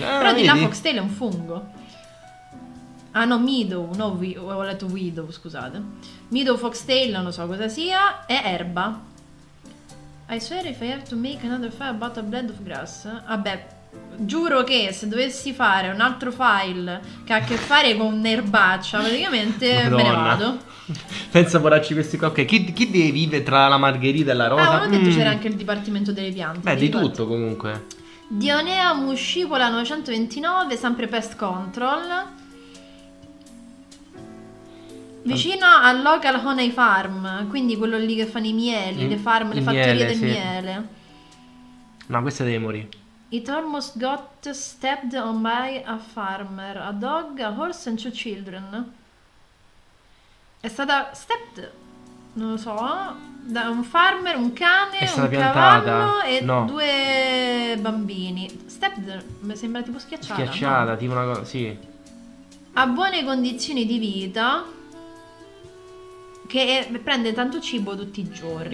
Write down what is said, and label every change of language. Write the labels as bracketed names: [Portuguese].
[Italian] però di là Foxtail è un fungo. Widow, scusate. Widow Foxtail, non lo so cosa sia, è erba. [English] I swear if I have to make another file about a blend of grass. [Italian] Vabbè, giuro che se dovessi fare un altro file che ha a che fare con erbaccia, praticamente Madonna. Me ne vado. Pensa a vorarci questi qua. Ok, chi deve vive tra la margherita e la rosa? Ah, detto c'era anche il dipartimento delle piante. Beh, di tutto comunque. Dionea muscipula 929, sempre pest control. Vicino al [English] local honey farm, [Italian] quindi quello lì che fanno i mieli, le farm, le fattorie miele, del sì. miele. No, questa deve morire. [English] It almost got stepped on by a farmer, a dog, a horse and two children. [Italian] È stata stepped, non lo so, da un farmer, un cane, un cavallo e due bambini. Stepped mi sembra tipo schiacciata, no? Tipo una cosa, sì. A buone condizioni di vita, che prende tanto cibo tutti i giorni.